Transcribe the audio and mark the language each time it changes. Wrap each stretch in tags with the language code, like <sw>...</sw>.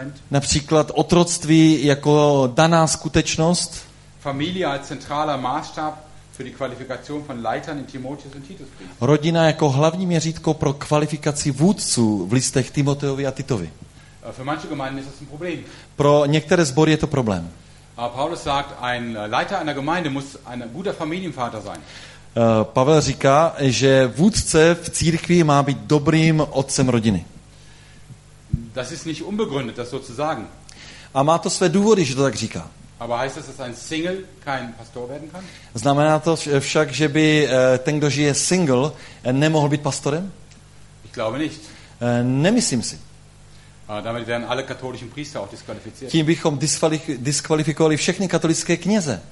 <cs>Například otroctví jako daná skutečnost.</cs> <de>Familie als zentraler Maßstab für die Qualifikation von Leitern in Timotheus und Titus.</de> <cs>Rodina jako hlavní měřítko pro kvalifikaci vůdců v listech Timoteovi a Titovi.</cs> <de>Für manche Gemeinden ist das ein Problem.</de> <cs>Pro některé sbory je to problém.</cs> <de>Paulus sagt, ein Leiter einer Gemeinde muss ein guter Familienvater sein.</de> <cs>Pavel říká, že vůdce v církvi má být dobrým otcem rodiny.</cs> <de>Das ist nicht unbegründet, das so zu sagen.</de> <cs>A má to své důvody, že to tak říká.</cs> <de>Aber heißt das, dass ein Single kein Pastor werden kann?</de> <cs>Znamená to však, že by ten, kdo žije single, nemohl být pastorem?</cs> <de>Ich glaube nicht.</de> <cs>Nemyslím si.</cs> <de>Damit werden alle katholischen Priester auch disqualifiziert.</de> <cs>Tím bychom diskvalifikovali všechny katolické kněze.</cs>